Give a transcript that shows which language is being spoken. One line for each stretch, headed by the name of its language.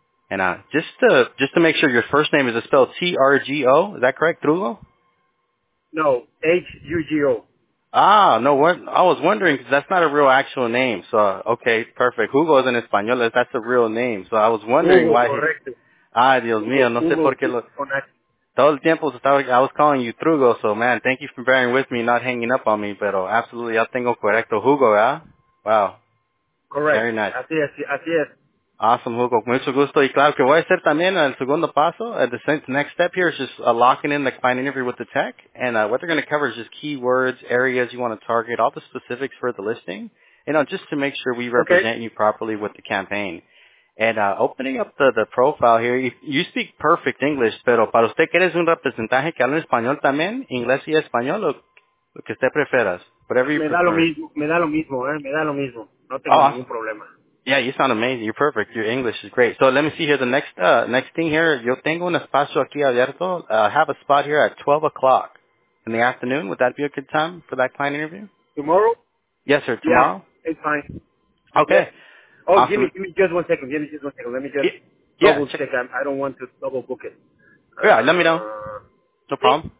English: And just to make sure, your first name is spelled T-R-G-O. Is that correct, Trugo? No, H-U-G-O. Ah, no, I was wondering, because that's not a real actual name. So, okay, perfect. Hugo is in Español. That's a real name. So I was wondering Hugo, why.
Spanish: Correcto. Ay, Dios mío, no sé por qué lo... Todo el tiempo
English: I was calling you Trugo, so man, thank you for bearing with me, not hanging up on me, pero absolutely,
Spanish: ya tengo correcto, Hugo, ¿verdad?
English: Wow. Correct. Very nice.
Spanish: Así es.
English: Awesome, Hugo.
Spanish: Mucho gusto. Y claro, que voy a hacer también el segundo paso.
English: The next step here is just locking in the client interview with the tech. And what they're going to cover is just keywords, areas you want to target, all the specifics for the listing, you know, just to make sure we represent you properly with the campaign. And opening up the profile here, you speak perfect English,
Spanish: pero para usted que eres un representante que habla español también, inglés y español, o lo que usted prefieras,
English: whatever you prefer.
Spanish: Me da lo mismo. No tengo ningún problema.
English: Yeah, you sound amazing. You're perfect. Your English is great. So let me see here. The next thing here,
Spanish: yo tengo un espacio aquí abierto.
English: I have a spot here at 12 o'clock in the afternoon. Would that be a good time for that client interview? Tomorrow? Yes, sir. Tomorrow? Yeah, it's fine. Okay. Yeah. Oh, awesome. Give me just one second. Let me just double check. I don't want to double book it. Yeah, let me know. No problem.